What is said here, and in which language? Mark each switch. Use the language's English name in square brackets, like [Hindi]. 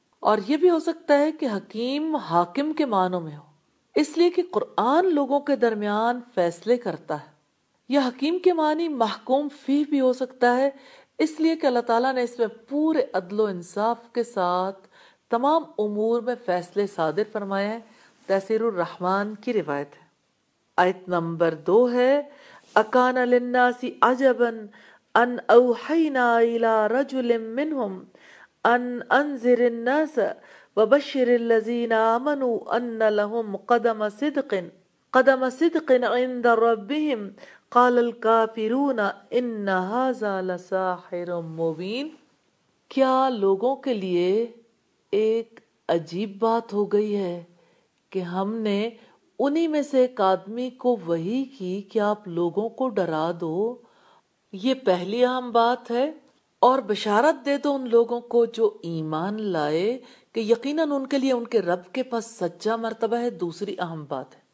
[Urdu] اور یہ بھی ہو سکتا ہے کہ حکیم حاکم کے معنوں میں ہو, اس لیے کہ قرآن لوگوں کے درمیان فیصلے کرتا ہے. یا حکیم کے معنی محکوم فی بھی ہو سکتا ہے, اس لیے کہ اللہ تعالیٰ نے اس میں پورے عدل و انصاف کے ساتھ تمام امور میں فیصلے صادر فرمائے ہیں. تفسیر الرحمن کی روایت ہے. آیت نمبر 2 ہے [Arabic] اکان للناس عجبا ان اوحینا الی رجل منہم ان انذر الناس وبشر الذین آمنوا ان لہم قدم صدق عند ربهم قال الكافرون ان هذا لساحر مبين. [Urdu] کیا لوگوں کے لیے ایک عجیب بات ہو گئی ہے کہ ہم نے انہی میں سے ایک آدمی کو وحی کی کہ آپ لوگوں کو ڈرا دو, یہ پہلی اہم بات ہے, اور بشارت دے دو ان لوگوں کو جو ایمان لائے کہ یقیناً ان کے لیے ان کے رب کے پاس سچا مرتبہ ہے, دوسری اہم بات ہے.